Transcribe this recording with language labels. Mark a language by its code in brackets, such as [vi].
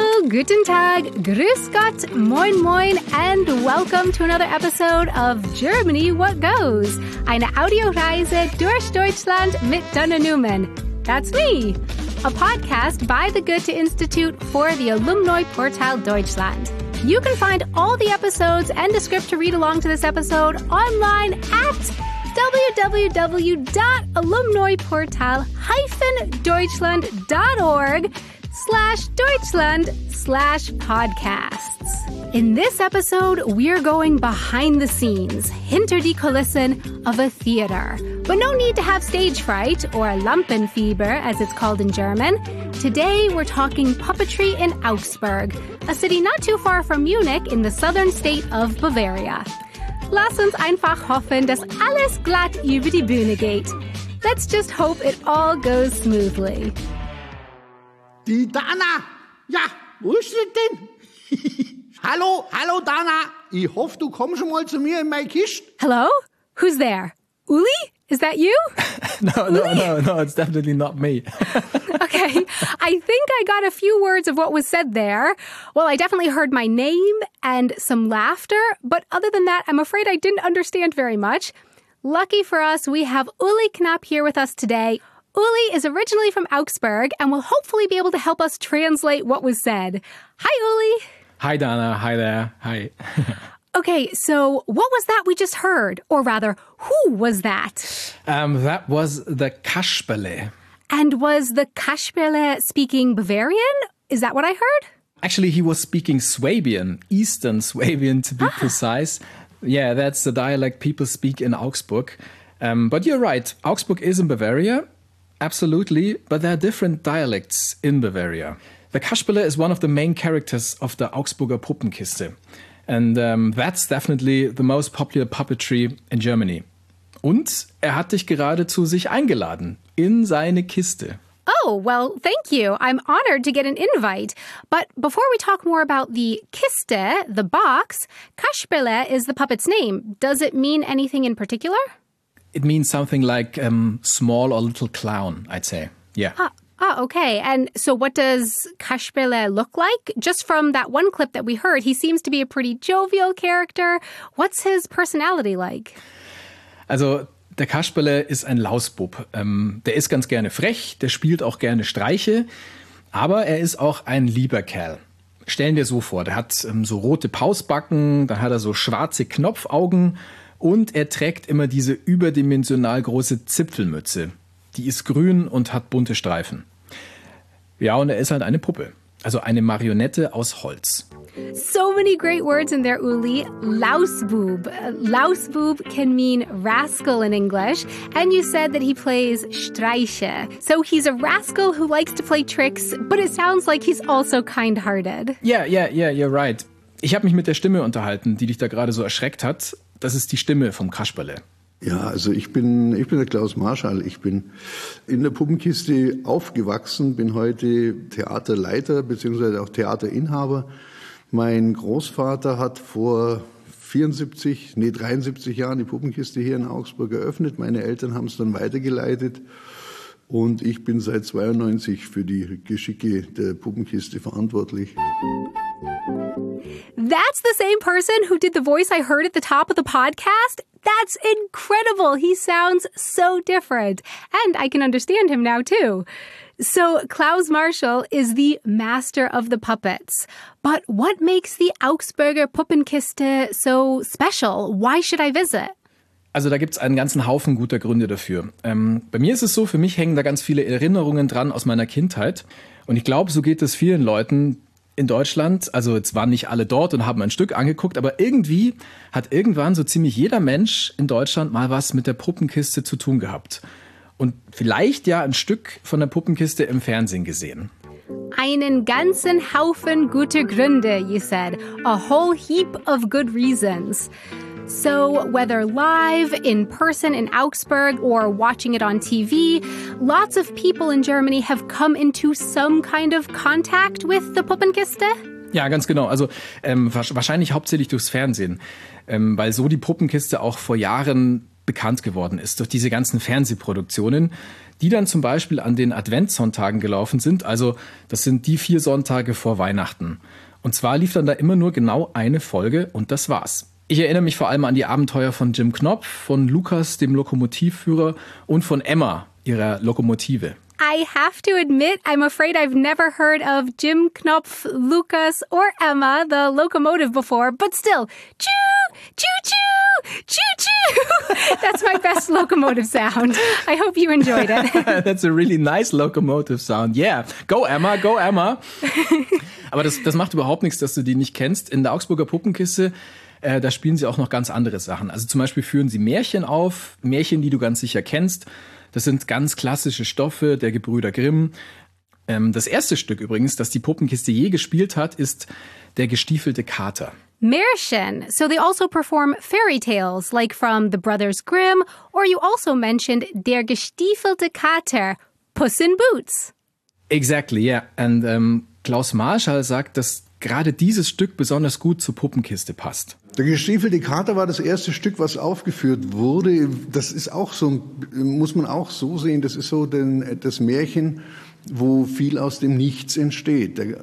[de] Guten Tag, Grüß Gott, Moin Moin, [en] and welcome to another episode of Germany What Goes, [de] eine Audioreise durch Deutschland mit Donna Newman. [en] That's me, a podcast by the Goethe Institute for the Alumni Portal Deutschland. You can find all the episodes and the script to read along to this episode online at www.alumniportal-deutschland.org/deutschland/podcasts. In this episode, we're going behind the scenes, [de] hinter die Kulissen [en] of a theater. But no need to have stage fright, or Lampenfieber, as it's called in German. Today, we're talking puppetry in Augsburg, a city not too far from Munich in the southern state of Bavaria. [de] Lass uns einfach hoffen, dass alles glatt über die Bühne geht. [en] Let's just hope it all goes smoothly. [de] Die Dana! Ja, wo ist sie denn? Hallo, hallo Dana! Ich hoffe, du kommst mal zu mir in meine Kiste. [en] Hello? Who's there? Uli? Is that you? No, it's definitely not me. Okay, I think I got a few words of what was said there. Well, I definitely heard my name and some laughter, but other than that, I'm afraid I didn't understand very much. Lucky for us, we have Uli Knapp here with us today. Uli is originally from Augsburg and will hopefully be able to help us translate what was said. Hi, Uli. Hi, Dana. Hi there. Hi. Okay, so what was that we just heard? Or rather, who was that? That was the Kasperle. And was the Kasperle speaking Bavarian? Is that what I heard? Actually, he was speaking Swabian, Eastern Swabian to be precise. Yeah, that's the dialect people speak in Augsburg. But you're right, Augsburg is in Bavaria, absolutely, but there are different dialects in Bavaria. The Kasperle is one of the main characters of the Augsburger Puppenkiste. And that's definitely the most popular puppetry in Germany. [de] Und er hat dich gerade zu sich eingeladen, in seine Kiste. [en] Oh, well, thank you. I'm honored to get an invite. But before we talk more about the Kiste, the box, Kasperle is the puppet's name. Does it mean anything in particular? It means something like small or little clown, I'd say. Yeah. Okay. And so what does Kasperle look like? Just from that one clip that we heard, he seems to be a pretty jovial character. What's his personality like? [de] Also, der Kasperle ist ein Lausbub. Der ist ganz gerne frech, der spielt auch gerne Streiche, aber er ist auch ein lieber Kerl. Stellen wir so vor, der hat so rote Pausbacken, dann hat er so schwarze Knopfaugen und er trägt immer diese überdimensional große Zipfelmütze. Die ist grün und hat bunte Streifen. Ja, und er ist halt eine Puppe. Also eine Marionette aus Holz. [en] So many great words in there, Uli. Lausbub. Lausbub can mean rascal in English. And you said that he plays Streiche. So he's a rascal who likes to play tricks, but it sounds like he's also kind-hearted. Yeah, you're right. [de] Ich habe mich mit der Stimme unterhalten, die dich da gerade so erschreckt hat. Das ist die Stimme vom Kasperle. Ja, also ich bin der Klaus Marschall. Ich bin in der Puppenkiste aufgewachsen, bin heute Theaterleiter bzw. auch Theaterinhaber. Mein Großvater hat vor 73 Jahren die Puppenkiste hier in Augsburg eröffnet. Meine Eltern haben es dann weitergeleitet und ich bin seit 92 für die Geschicke der Puppenkiste verantwortlich. [en] That's the same person who did the voice I heard at the top of the podcast. That's incredible. He sounds so different. And I can understand him now, too. So Klaus Marschall is the master of the puppets. But what makes the Augsburger Puppenkiste so special? Why should I visit? [de] Also da gibt es einen ganzen Haufen guter Gründe dafür. Bei mir ist es so, für mich hängen da ganz viele Erinnerungen dran aus meiner Kindheit. Und ich glaube, so geht es vielen Leuten in Deutschland, also jetzt waren nicht alle dort und haben ein Stück angeguckt, aber irgendwie hat irgendwann so ziemlich jeder Mensch in Deutschland mal was mit der Puppenkiste zu tun gehabt. Und vielleicht ja ein Stück von der Puppenkiste im Fernsehen gesehen. Einen ganzen Haufen guter Gründe, [en] you said. A whole heap of good reasons. So, whether live, in person in Augsburg, or watching it on TV, lots of people in Germany have come into some kind of contact with the Puppenkiste? [de] Ja, ganz genau. Also wahrscheinlich hauptsächlich durchs Fernsehen, weil so die Puppenkiste auch vor Jahren bekannt geworden ist durch diese ganzen Fernsehproduktionen, die dann zum Beispiel an den Adventssonntagen gelaufen sind. Also das sind die 4 Sonntage vor Weihnachten. Und zwar lief dann da immer nur genau eine Folge und das war's. Ich erinnere mich vor allem an die Abenteuer von Jim Knopf, von Lukas, dem Lokomotivführer, und von Emma, ihrer Lokomotive. [en] I have to admit, I'm afraid I've never heard of Jim Knopf, Lukas or Emma, the locomotive before, but still, choo, choo-choo, choo-choo. That's my best locomotive sound. I hope you enjoyed it. That's a really nice locomotive sound. Yeah, go Emma, go Emma. [de] Aber das macht überhaupt nichts, dass du die nicht kennst. In der Augsburger Puppenkiste, da spielen sie auch noch ganz andere Sachen. Also zum Beispiel führen sie Märchen auf, Märchen, die du ganz sicher kennst. Das sind ganz klassische Stoffe der Gebrüder Grimm. Das erste Stück übrigens, das die Puppenkiste je gespielt hat, ist Der gestiefelte Kater. Märchen. [en] So they also perform fairy tales, like from the Brothers Grimm, or you also mentioned Der gestiefelte Kater, Puss in Boots. Exactly, yeah. [de] And Klaus Marschall sagt, dass gerade dieses Stück besonders gut zur Puppenkiste passt. Der gestiefelte Kater war das erste Stück, was aufgeführt wurde. Das ist auch so, muss man auch so sehen, das ist so das Märchen, wo viel aus dem Nichts entsteht.